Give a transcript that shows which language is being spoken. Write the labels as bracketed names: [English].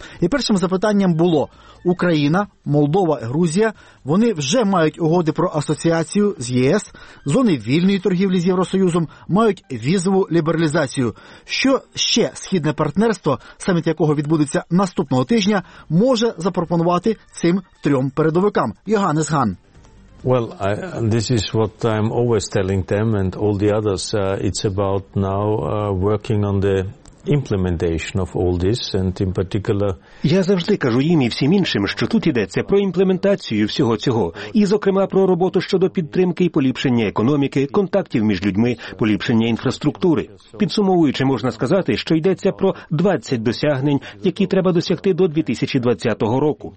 [Ukrainian] І першим запитанням було: Україна, Молдова, Грузія, вони вже мають угоди про асоціацію з ЄС, зони вільної торгівлі з Євросоюзом, мають візову лібералізацію. Що ще східне партнерство, саміт якого відбудеться наступного тижня, може запропонувати цим трьом передовикам? Йоганнес Ган. [English] Well, this is what I'm always telling them and all the others. It's about now working on the implementation of all this, and in particular... [Ukrainian] Я завжди кажу їм і всім іншим, що тут йдеться про імплементацію всього цього, і, зокрема, про роботу щодо підтримки і поліпшення економіки, контактів між людьми, поліпшення інфраструктури. Підсумовуючи, можна сказати, що йдеться про 20 досягнень, які треба досягти до 2020 року.